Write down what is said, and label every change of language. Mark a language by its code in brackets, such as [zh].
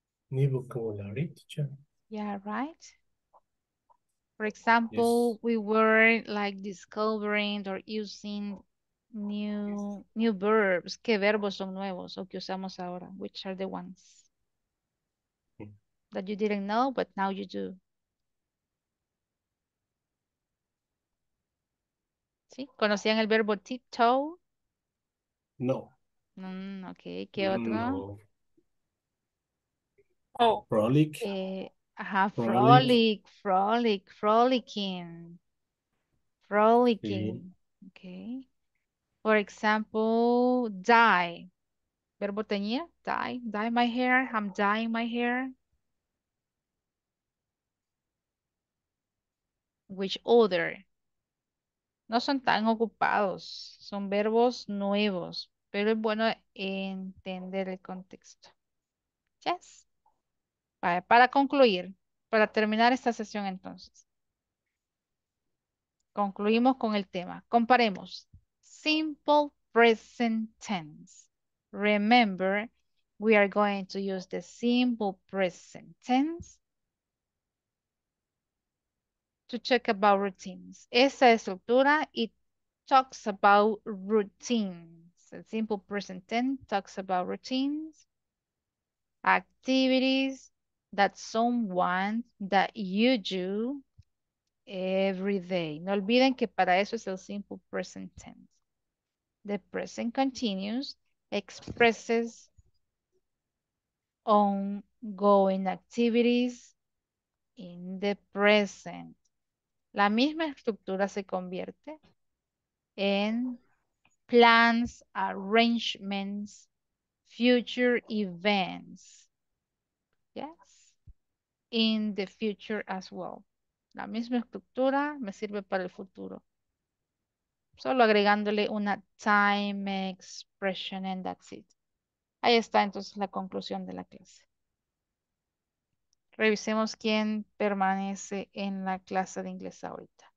[es] Ni vocabulario, teacher. [en] Yeah, right. For example, Yes. we were like discovering or using new verbs. [es] ¿Qué verbos son nuevos o que usamos ahora? [en] Which are the ones that you didn't know, but now you do? [es] ¿Sí? ¿Conocían el verbo tiptoe? No. Okay. ¿Qué otro? [en] No. Frolic, Ajá, frolic, frolicking, [es] sí. [en] frolicking. Okay. For example, dye. [es] Verbo teñir, [en] dye my hair. I'm dyeing my hair. Which other? [es] No son tan ocupados, son verbos nuevos, pero es bueno entender el contexto. [en] Yes. [es] Vale, para concluir, para terminar esta sesión entonces, concluimos con el tema. Comparemos. Simple present tense. [en] Remember, we are going to use the simple present tense to check about routines. [es] Esa estructura, [en] it talks about routines. The simple present tense talks about routines, activities that someone, that you do every day. [es] No olviden que para eso es el simple present tense. [en] The present continuous expresses ongoing activities in the present. [es] La misma estructura se convierte en plans, arrangements, future events. [en] Yes, in the future as well. [es] La misma estructura me sirve para el futuro. Solo agregándole una time expression [en] and that's it. [es] Ahí está entonces la conclusión de la clase. Revisemos quién permanece en la clase de inglés ahorita.